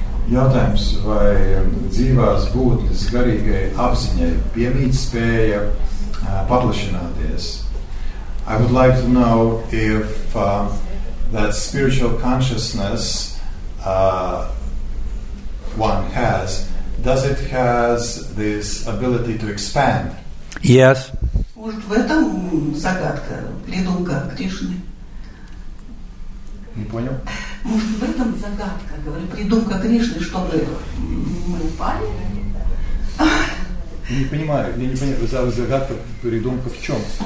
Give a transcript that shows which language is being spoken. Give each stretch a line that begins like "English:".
Latvian: Jautājums, vai dzīvās būtnes garīgai apziņai piemīt spēja paplašināties?
English: I would like to know if that spiritual consciousness one has, does it has this ability to expand? Yes.
Russian: Может, в этом загадка придумка Кришны? Не понял. Может, в этом загадка, говорю, придумка Кришны, чтобы мы упали? Не понимаю, я не понимаю, загадка, придумка в чем?